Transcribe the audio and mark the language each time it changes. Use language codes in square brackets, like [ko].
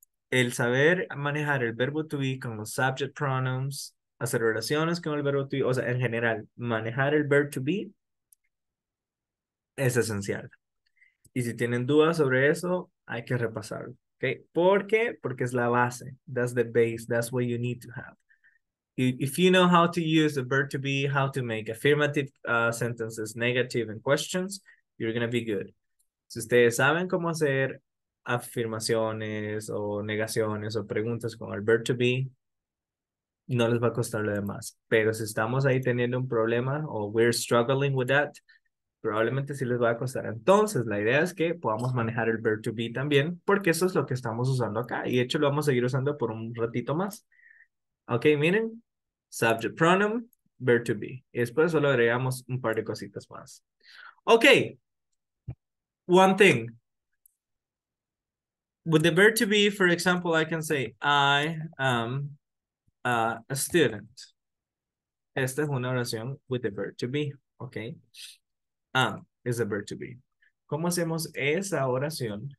[es] El saber manejar el verbo to be con los subject pronouns, hacer oraciones con el verbo to be, o sea, en general, manejar el verb to be es esencial. Y si tienen dudas sobre eso, hay que repasarlo, okay? ¿Por qué? Porque es la base. [en] That's the base. That's what you need to have. If you know how to use the verb to be, how to make affirmative sentences, negative, and questions, you're going to be good. [es] Si ustedes saben cómo hacer afirmaciones o negaciones o preguntas con el verb to be, no les va a costar lo demás. Pero si estamos ahí teniendo un problema o [en] we're struggling with that, [es] probablemente sí les va a costar. Entonces, la idea es que podamos manejar el verb to be también, porque eso es lo que estamos usando acá. Y de hecho, lo vamos a seguir usando por un ratito más. Ok, miren. Subject pronoun, verb to be. Y después solo agregamos un par de cositas más. [en] Ok. One thing. With the verb to be, for example, I can say, I am a student. [es] Esta es una oración [en] with the verb to be. [es] Ok. [en] Is a verb to be. [es] ¿Cómo hacemos esa oración?